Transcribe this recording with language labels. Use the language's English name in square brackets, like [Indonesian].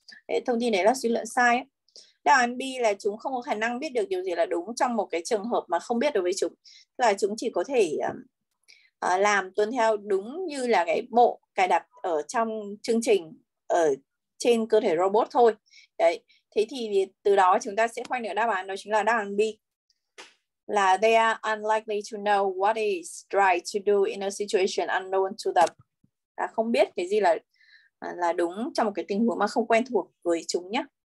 [Vietnamese] Đấy, thông tin đấy là suy luận sai. Đáp án B là chúng không có khả năng biết được điều gì là đúng trong một cái trường hợp mà không biết đối với chúng. Là chúng chỉ có thể làm tuân theo đúng như là cái bộ cài đặt ở trong chương trình ở trên cơ thể robot thôi. Đấy, thế thì từ đó chúng ta sẽ khoanh được đáp án, đó chính là đáp án B. [English] Là they are unlikely to know what is right to do in a situation unknown to them. [Vietnamese] Là không biết cái gì là đúng trong một cái tình huống mà không quen thuộc với chúng nhé.